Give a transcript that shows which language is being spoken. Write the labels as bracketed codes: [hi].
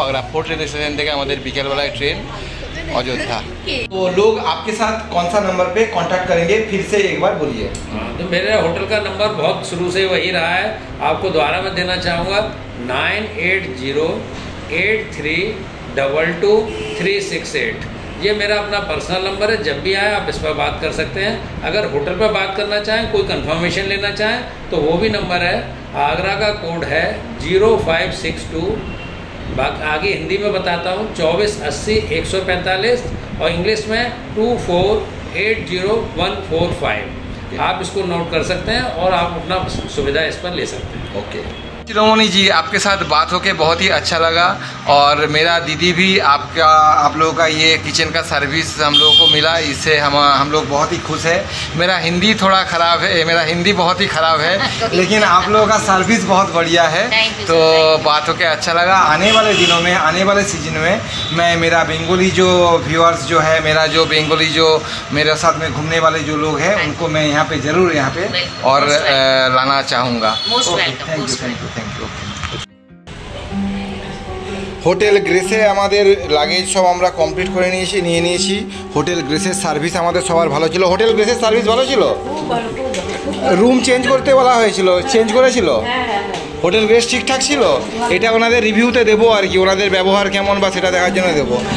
[bn] Agra fort railway station থেকে আমাদের বিকেলবেলায় ট্রেন অযোধ্যা। তো লোক আপনার সাথে [hi] কোন সা নম্বর পে কন্ট্যাক্ট করেন ফির সে একবার বলিয়ে। তো মেরে হোটেল কা নম্বর বহুত শুরু সে ওই রহা হ্যায়, আপকো দোবারা মে দেনা চাহুঙ্গা 9808322368। ये मेरा अपना पर्सनल नंबर है, जब भी आए आप इस पर बात कर सकते हैं। अगर होटल पर बात करना चाहें, कोई कंफर्मेशन लेना चाहें, तो वो भी नंबर है। आगरा का कोड है 0562, आगे हिंदी में बताता हूँ 2480145 और इंग्लिश में 2480145। आप इसको नोट कर सकते हैं और आप अपना सुविधा इस पर ले सकते हैं। ओके चिरमणि जी, आपके साथ बात होके बहुत ही अच्छा लगा। और मेरा दीदी भी आपका, आप लोगों का ये किचन का सर्विस हम लोगों को मिला, इससे हम लोग बहुत ही खुश है। मेरा हिंदी थोड़ा ख़राब है, मेरा हिंदी बहुत ही ख़राब है, लेकिन आप लोगों का सर्विस बहुत बढ़िया है, तो बात होके अच्छा लगा। आने वाले दिनों में, आने वाले सीजन में, मैं मेरा बेंगोली जो व्यूअर्स जो है, मेरा जो बेंगोली जो मेरे साथ में घूमने वाले जो लोग हैं, उनको मैं यहाँ पर ज़रूर यहाँ पर और लाना चाहूँगा। [bn] হোটেল গ্রেসে আমাদের লাগেজ সব আমরা কমপ্লিট করে নিয়েছি, নিয়ে নিয়েছি। হোটেল গ্রেসের সার্ভিস আমাদের সবার ভালো ছিল। হোটেল গ্রেসের সার্ভিস ভালো ছিল, রুম চেঞ্জ করতে বলা হয়েছিল, চেঞ্জ করেছিল। হোটেল গ্রেস ঠিকঠাক ছিল, এটা ওনাদের রিভিউতে দেবো আর কি, ওনাদের ব্যবহার কেমন বা সেটা দেখার জন্য দেবো।